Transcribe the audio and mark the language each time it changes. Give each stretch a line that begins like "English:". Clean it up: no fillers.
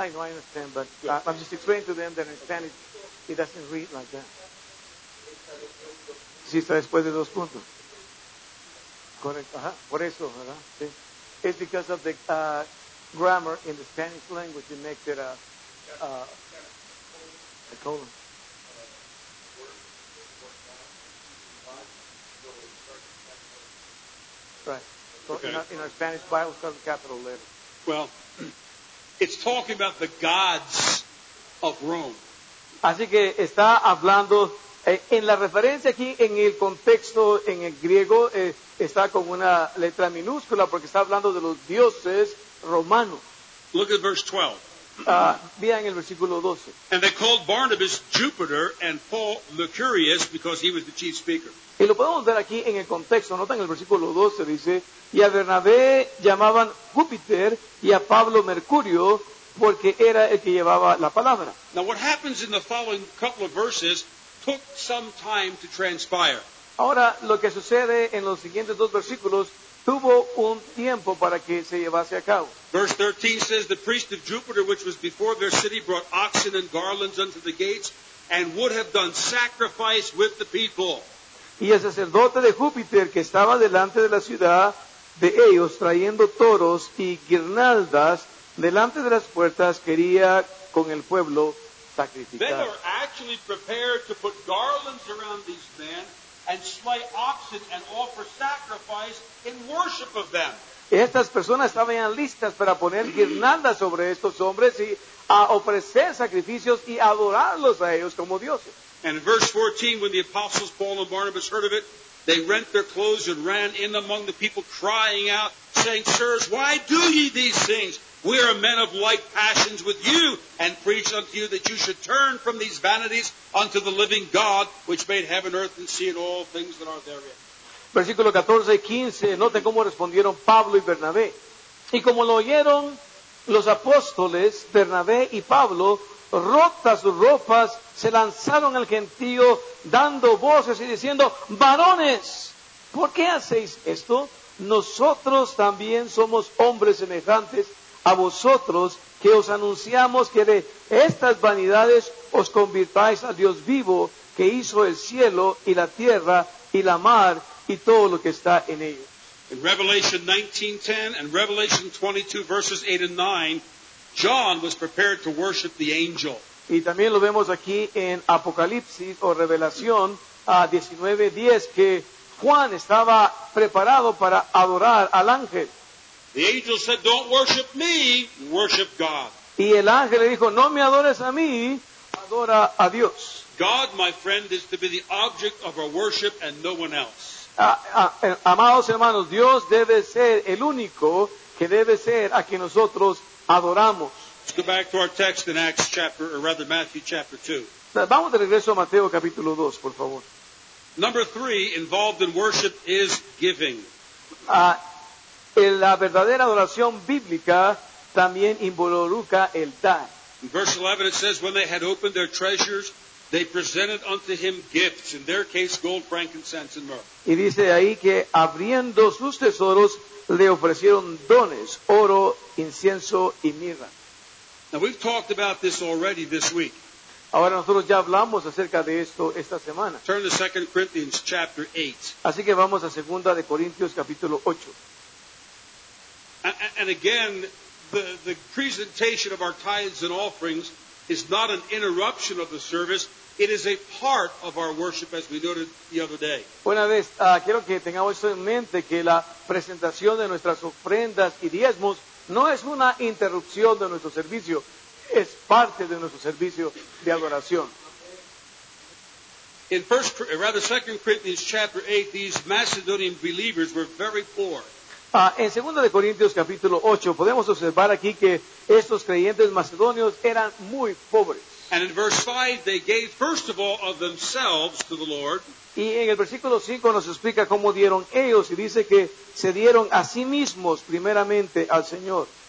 English: I know, I understand, but yeah. I'm just explaining to them that in Spanish, it doesn't read like that.
Spanish: Sí, está después de dos puntos. Correcto, ajá, por eso, ¿verdad? Sí.
English: It's because of the grammar in the Spanish language, it makes it a colon. Right. So okay. In our Spanish Bible, it's got a capital letter. Well, it's talking about the gods of Rome.
Spanish: Así que está hablando en la referencia aquí en el contexto en el griego está con una letra minúscula porque está hablando de los dioses romanos.
English: Look at verse 12.
Spanish: En el versículo 12.
English: And they called Barnabas Jupiter and Paul Mercurius because he was the chief speaker.
Spanish: Y lo podemos ver aquí en el contexto, nota en el versículo 12 dice, y a Bernabé llamaban Júpiter y a Pablo Mercurio porque era el que llevaba la palabra.
English: Now what happens in the following couple of verses took some time to transpire.
Spanish: Ahora lo que sucede en los siguientes dos versículos tuvo un tiempo para que se llevase a cabo.
English: Verse 13 says, the priest of Jupiter, which was before their city, brought oxen and garlands unto the gates, and would have done sacrifice with the people.
Spanish: Y el sacerdote de Júpiter, que estaba delante de la ciudad de ellos, trayendo toros y guirnaldas delante de las puertas, quería con el pueblo sacrificar.
English: They were actually prepared to put garlands around these men and slay oxen and offer sacrifice in worship of them.
Spanish: Estas personas estaban listas para poner guirnaldas sobre estos hombres y a ofrecer sacrificios y adorarlos a ellos como dioses.
English: And in verse 14, when the apostles Paul and Barnabas heard of it, they rent their clothes and ran in among the people, crying out, saying, sirs, why do ye these things? We are men of like passions with you, and preach unto you that you should turn from these vanities unto the living God, which made heaven, earth, and sea, and all things that are therein.
Spanish: Versículo 14 y 15, note cómo respondieron Pablo y Bernabé. Y como lo oyeron los apóstoles, Bernabé y Pablo, rotas sus ropas, se lanzaron al gentío, dando voces y diciendo, varones, ¿por qué hacéis esto? Nosotros también somos hombres semejantes a vosotros, que os anunciamos que de estas vanidades os convirtáis al Dios vivo, que hizo el cielo y la tierra y la mar y todo lo que está en ellos.
English: In Revelation 19:10 and Revelation 22 verses 8 and 9, John was prepared to worship the angel.
Spanish: Y también lo vemos aquí en Apocalipsis o Revelación 19:10 que Juan estaba preparado para adorar al ángel.
English: The angel said, "Don't worship me, worship God."
Spanish: Y el ángel le dijo, "No me adores a mí, adora a Dios."
English: God, my friend, is to be the object of our worship and no one else.
Spanish: Amados hermanos, Dios debe ser el único que debe ser a quien nosotros adoramos.
English: Let's go back to our text in Acts chapter, or rather Matthew chapter 2.
Spanish: Vamos de regreso a Mateo capítulo 2, por favor.
English: Number 3, involved in worship is giving.
Spanish: La verdadera adoración bíblica también involucra el dar.
English: In verse 11 it says, when they had opened their treasures, they presented unto him gifts, in their case, gold, frankincense, and myrrh.
Spanish: Y dice ahí que abriendo sus tesoros, le ofrecieron dones, oro, incienso y mirra.
English: Now we've talked about this already this week.
Spanish: Ahora nosotros ya hablamos acerca de esto esta semana.
English: Turn to 2 Corinthians chapter 8.
Spanish: Así que vamos a 2 Corintios capítulo 8.
English: And again, the presentation of our tithes and offerings is not an interruption of the service, it is a part of our worship as we noted the other day.
Spanish: Una vez, quiero que tengamos en mente que la presentación de nuestras ofrendas y diezmos no es una interrupción de nuestro servicio, es parte de nuestro servicio de adoración.
English: In 2 Corinthians chapter 8, these Macedonian believers were very poor.
Spanish: En 2 Corintios capítulo 8 podemos observar aquí que estos creyentes macedonios eran muy pobres.
English: And in verse 5 they gave first of all of themselves to the Lord.
Spanish: Y en el versículo 5 nos explica cómo dieron ellos y dice que se dieron a sí mismos primeramente al Señor.